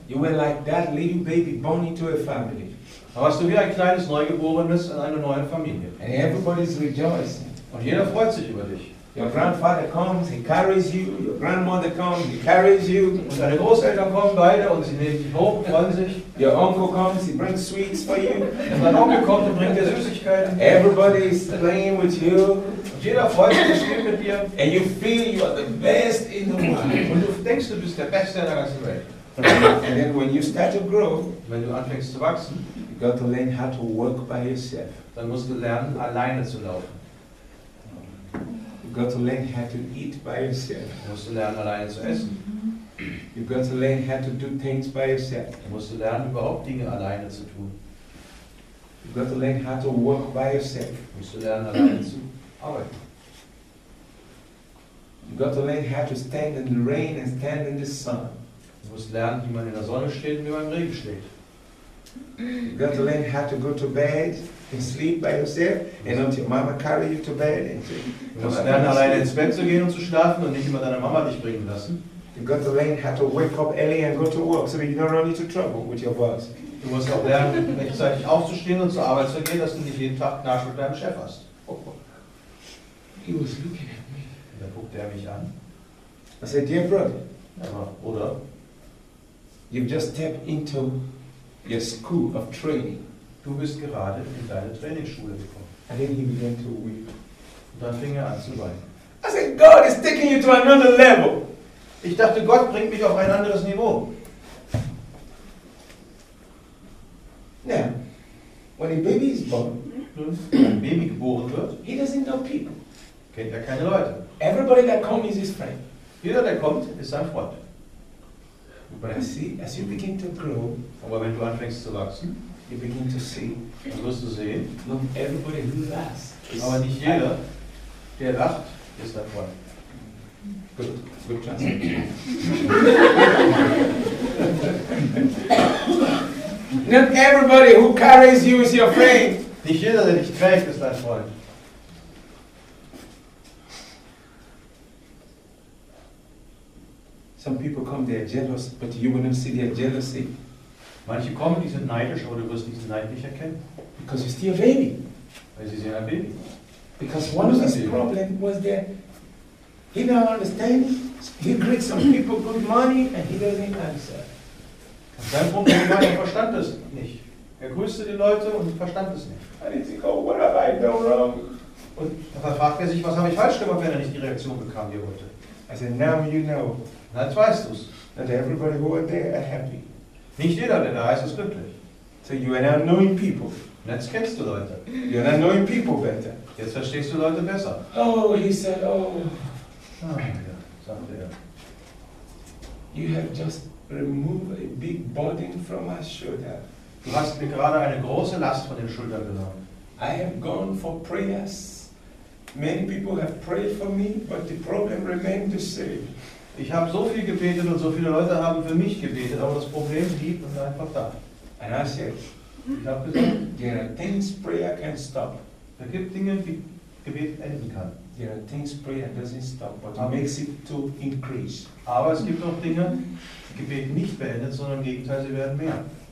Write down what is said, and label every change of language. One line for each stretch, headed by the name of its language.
English: you were like that little baby born into a family.
German: Da warst du wie ein kleines Neugeborenes in einer neuen Familie.
English: And everybody's rejoicing.
German: Und jeder freut sich über dich.
English: Your grandfather comes, he carries you. Your grandmother comes, he carries you.
German: Und deine Großeltern kommen beide und sie nehmen dich hoch, freuen sich.
English: Your uncle comes, he brings sweets for you.
German: Und dein Onkel kommt und bringt dir Süßigkeiten.
English: Everybody is playing with you.
German: Und jeder freut sich, spielt mit dir.
English: And you feel you are the best in the world.
German: Und du denkst, du bist der Beste in der ganzen Welt.
English: And then when you start to grow,
German: wenn du anfängst zu wachsen,
English: you got to learn how to work by yourself.
German: Dann musst du lernen, alleine zu laufen.
English: You got to learn how to eat by yourself.
German: Du musst lernen, alleine zu essen.
English: You got to learn how to do things by yourself.
German: Du musst lernen, überhaupt Dinge alleine zu tun.
English: You got to learn how to work by yourself.
German: Du musst lernen, alleine zu arbeiten.
English: You got to learn how to stand in the rain and stand in the sun.
German: Du musst lernen, wie man in der Sonne steht und wie man im Regen steht.
English: You got to learn how to go to bed and sleep by yourself and until mama carry you to bed.
German: Du musst lernen, alleine ins Bett zu gehen und zu schlafen und nicht immer deine Mama dich bringen lassen.
English: You got to learn how to wake up early and go to work so that you don't run into trouble with your boss.
German: Du musst auch lernen, rechtzeitig aufzustehen und zur Arbeit zu gehen, dass du nicht jeden Tag Knatsch mit deinem Chef hast.
English: He was looking at me.
German: Da guckt er mich an.
English: I said, dear brother.
German: Ja, oder?
English: You've just stepped into your school of training.
German: Du bist gerade in deine Trainingsschule gekommen.
English: And then he began to weep.
German: Und dann fing er an zu weinen.
English: I said, God is taking you to another level.
German: Ich dachte, Gott bringt mich auf ein anderes Niveau.
English: Now, when a baby is born,
German: wenn ein Baby geboren wird,
English: he doesn't know people.
German: Kennt er keine Leute.
English: Everybody that comes is his friend.
German: Jeder, der kommt, ist sein Freund.
English: But I see, as you begin to grow,
German: aber wenn du anfängst zu wachsen,
English: you begin to see,
German: dann wirst du sehen,
English: not everybody who laughs,
German: aber nicht jeder, der lacht, ist dein Freund.
English: Good, good translation. Not everybody who carries you is your friend.
German: Nicht jeder, der dich trägt, ist dein Freund.
English: Some people come, they are jealous, but you will not see their jealousy.
German: Manche kommen, die sind neidisch, aber du wirst diesen Neid nicht erkennen.
English: Because you're still a baby.
German: Weil sie sind ein Baby.
English: Because one of his problems was that he don't understand. He greets some people good money and he doesn't answer.
German: Sein Problem war, er verstand das nicht. Er grüßte die Leute und verstand es nicht.
English: I didn't think, oh, what have I done wrong?
German: Und da fragte er sich, was habe ich falsch gemacht, wenn er nicht die Reaktion bekam, die er wollte.
English: I said, now you know.
German: Na, jetzt weißt du's.
English: That everybody who went there are happy.
German: Nicht jeder, der da ist, ist glücklich.
English: So you are now knowing people.
German: Und jetzt kennst du Leute.
English: You are now knowing people better.
German: Jetzt verstehst du Leute besser.
English: Oh, he said, oh.
German: Ja, sagte er.
English: You have just removed a big burden from my shoulder.
German: Du hast mir gerade eine große Last von den Schultern genommen.
English: I have gone for prayers. Many people have prayed for me, but the problem remained the same.
German: Ich habe so viel gebetet und so viele Leute haben für mich gebetet, aber das Problem blieb und war einfach da.
English: And I said,
German: ich habe gesagt,
English: there are things prayer can stop.
German: Es gibt Dinge, die Gebet enden kann.
English: There are things prayer doesn't stop, but it makes it to increase.
German: Aber es gibt auch Dinge, die Gebet nicht beendet, sondern im Gegenteil, sie werden mehr.